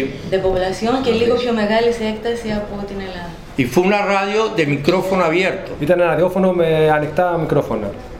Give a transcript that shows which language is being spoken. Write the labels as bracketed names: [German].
[Spanish] de población que [Greek] λίγο πιο μεγάλη σε έκταση από την Ελλάδα. [Spanish] Y fue una radio de micrófono abierto. [Greek] Ήταν ένα ραδιόφωνο με ανοιχτά μικρόφωνα.